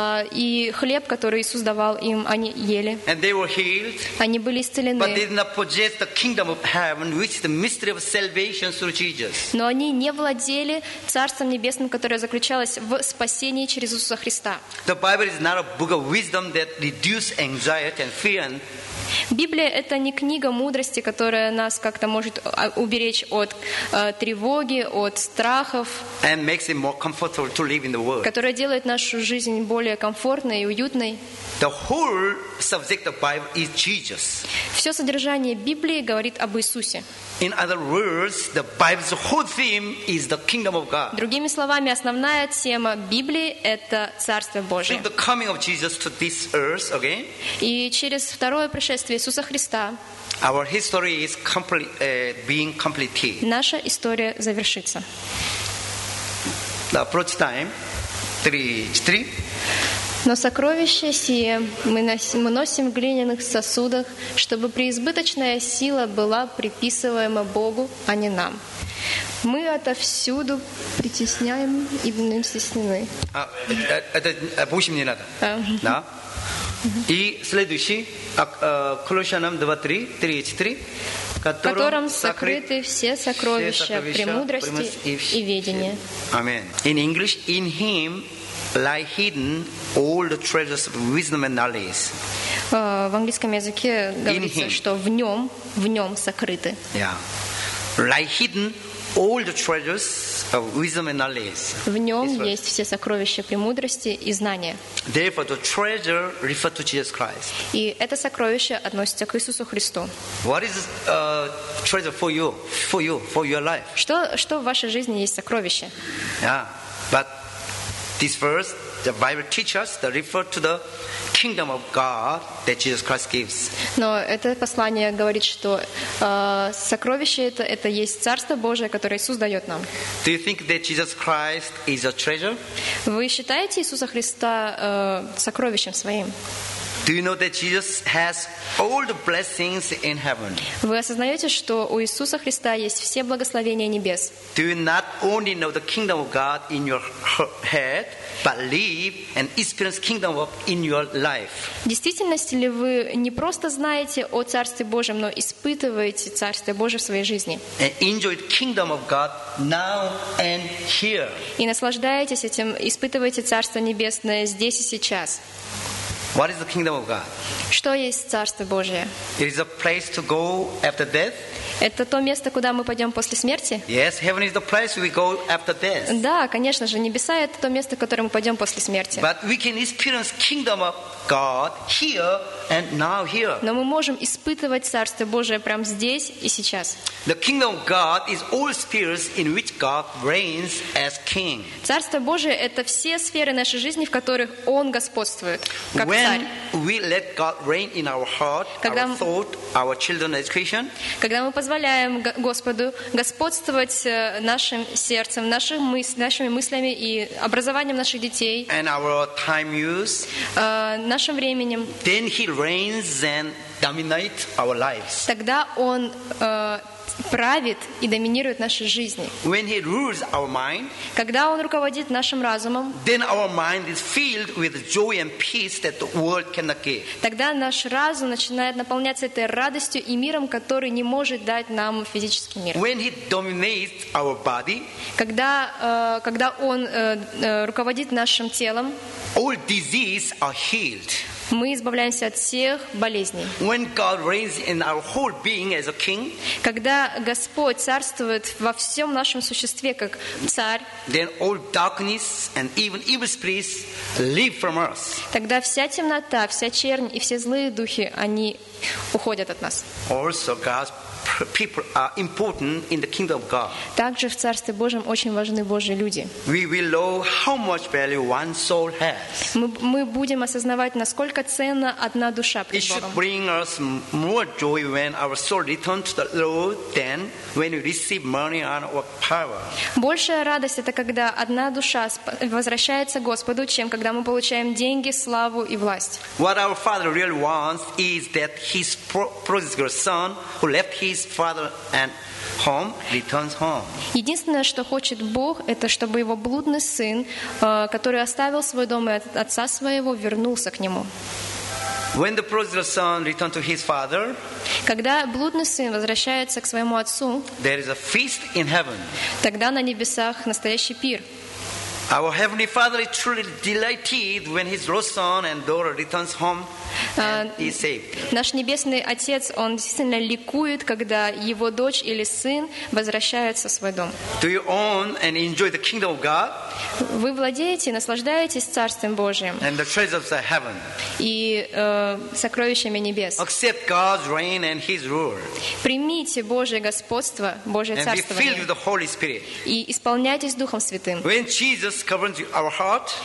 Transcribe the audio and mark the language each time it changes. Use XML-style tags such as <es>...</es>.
<ru>И хлеб, который Иисус давал им, они ели.</ru> <en>And they were healed.</en> <ru>Они были исцелены.</ru> <en>But they did not possess the kingdom of heaven, which is the mystery of salvation through Jesus.</en> <ru>Но они не владели Царством Небесным, которое заключалось в спасении через Иисуса Христа.</ru> <en>The Bible is not a book of wisdom that reduces anxiety and fear.</en> <ru>Библия — это не книга мудрости, которая нас как-то может уберечь от тревоги, от страхов,</ru> <en>and makes it more comfortable to live in the world.</en> <ru>Которая делает нашу жизнь более комфортной и уютной.</ru> <en>The whole subject of Bible is Jesus.</en> <ru>Все содержание Библии говорит об Иисусе.</ru> <en>In other words, the Bible's whole theme is the kingdom of God.</en> <ru>Другими словами, основная тема Библии это Царство Божие.</ru> <en>Through the coming of Jesus to this earth again.</en> <ru>И через второе пришествие Иисуса Христа.</ru> <en>Our history is being completed.</en> <ru>Наша история завершится.</ru> <en>The approach time. 3:3.</en> <ru>Но сокровище сие мы носим в глиняных сосудах, чтобы преизбыточная сила была приписываема Богу, а не нам. Мы отовсюду притесняем и будем стеснены. А, это пусть мне надо. Да. И следующий, Колоссянам 2:3, которым сокрыты все сокровища премудрости и ведения. Аминь.</ru> <en>In English, in him lie hidden all the treasures of wisdom and knowledge.</en> <ru>В английском языке говорится, что в нем сокрыты.</ru> <en>Lie hidden all the treasures of wisdom and knowledge.</en> <ru>В нем есть все сокровища премудрости и знания.</ru> <en>Therefore, the treasure refers to Jesus Christ.</en> <ru>И это сокровище относится к Иисусу Христу.</ru> <en>What is treasure for you, for you, for your life?</en> <ru>Что в вашей жизни есть сокровище?</ru> <en>Yeah, but this verse, the Bible teaches us to refer to the kingdom of God that Jesus Christ gives.</en> <ru>Но это послание говорит, что сокровище это есть царство Божие, которое Иисус дает нам.</ru> <en>Do you think that Jesus Christ is a treasure?</en> <ru>Вы считаете Иисуса Христа сокровищем своим?</ru> <en>Do you know that Jesus has all the blessings in heaven?</en> <ru>Вы осознаете, что у Иисуса Христа есть все благословения небес?</ru> <en>Do you not only know the kingdom of God in your head, but live and experience kingdom of in your life?</en> <ru>В действительности ли вы не просто знаете о Царстве Божьем, но испытываете Царствие Божье в своей жизни?</ru> <en>And enjoy the kingdom of God now and here.</en> <ru>И наслаждаетесь этим, испытываете Царство Небесное здесь и сейчас.</ru> <en>What is the kingdom of God?</en> <ru>Что есть Царство Божие?</ru> <en>It is a place to go after death.</en> <ru>Это то место, куда мы пойдем после смерти?</ru> <en>Yes, heaven is the place we go after death.</en> <ru>Да, конечно же, небеса это то место, которое мы пойдем после смерти.</ru> <en>But we can experience kingdom of God here and now here.</en> <ru>Но мы можем испытывать Царство Божие прямо здесь и сейчас.</ru> <en>The kingdom of God is all spheres in which God reigns as king.</en> <ru>Царство Божие это все сферы нашей жизни, в которых Он господствует, как</ru> <en>When</en> <ru>царь.</ru> <en>We let God reign in our heart,</en> <ru>когда</ru> <en>our thought, our children's education.</en> <ru>Когда мы позволяем Господу господствовать нашим сердцем, нашими мыслями и образованием наших детей.</ru> <en>And our time use.</en> <ru>Нашим временем.</ru> <en>Then he reigns and dominates our lives.</en> <ru>Тогда он правит и доминирует нашей жизни.</ru> <en>When he rules our mind,</en> <ru>когда он руководит нашим разумом,</ru> <en>then our mind is filled with joy and peace that the world cannot give.</en> <ru>Тогда наш разум начинает наполняться этой радостью и миром, который не может дать нам физический мир.</ru> <en>When he dominates our body,</en> <ru>когда он руководит нашим телом,</ru> <en>all diseases are healed.</en> <ru>Мы избавляемся от всех болезней.</ru> <en>When God reigns in our whole being as a king,</en> <ru>когда Господь царствует во всем нашем существе как царь,</ru> <en>then all darkness and even evil spirits leave from us.</en> <ru>Тогда вся темнота, вся чернь и все злые духи, они уходят от нас.</ru> <en>Also God's people are important in the kingdom of God.</en> <ru>Также в Царстве Божьем очень важны Божьи люди.</ru> <en>We will know how much value one soul has.</en> <ru>Мы будем осознавать, насколько ценна одна душа пред Богом.</ru> <en>It should bring us more joy when our soul returns to the Lord than when we receive money or power.</en> <ru>Большая радость это когда одна душа возвращается Господу, чем когда мы получаем деньги, славу и власть.</ru> <en>What our Father really wants is that His prodigal son who left his His father and home returns home.</en> <ru>Единственное, что хочет Бог, это чтобы его блудный сын, который оставил свой дом и отца своего, вернулся к нему.</ru> <en>When the prodigal son returned to his father,</en> <ru>когда блудный сын возвращается к своему отцу,</ru> <en>there is a feast in heaven.</en> <ru>Тогда на небесах настоящий пир.</ru> <en>Our heavenly Father is truly delighted when his lost son and daughter returns home. And he's saved.</en> <ru>Наш небесный отец, он действительно ликует, когда его дочь или сын возвращаются в свой дом.</ru> <en>Do you own and enjoy the kingdom of God?</en> <ru>Вы владеете, наслаждаетесь Царством Божьим.</ru> <en>And the treasures of heaven.</en> <ru>И сокровищами небес.</ru> <en>Accept God's reign and His rule.</en> <ru>Примите Божье господство, Божье царство.</ru> <en>And be filled with the Holy Spirit.</en> <ru>И исполняйтесь Духом Святым.</ru> <en>When Jesus governs our heart,</en>